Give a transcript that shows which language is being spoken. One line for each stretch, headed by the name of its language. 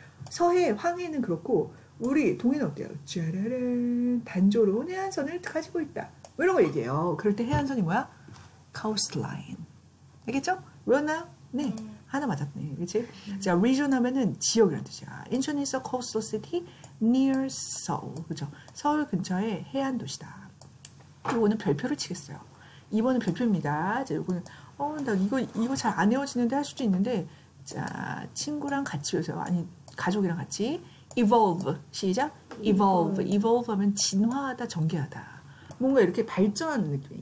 Korean: 서해, 황해는 그렇고, 우리 동해는 어때요? 짜라란 단조로운 해안선을 가지고 있다. 뭐 이런 거 얘기해요. 그럴 때 해안선이 뭐야?
English: Coast line.
Korean: 알겠죠? 외웠나요? 네. 하나 맞았네. 그렇지? 자, region 하면은 지역이란 뜻이야.
English: 인천 is a coastal city near Seoul.
Korean: 그렇죠? 서울 근처의 해안 도시다. 이거는 별표를 치겠어요. 2번은 별표입니다. 자, 이거는 나 이거 잘 안 외워지는데 할 수도 있는데, 자, 친구랑 같이 외워서, 아니 가족이랑 같이.
English: evolve.
Korean: 시작.
English: evolve.
Korean: evolve 하면 진화하다, 전개하다. 뭔가 이렇게 발전하는 느낌.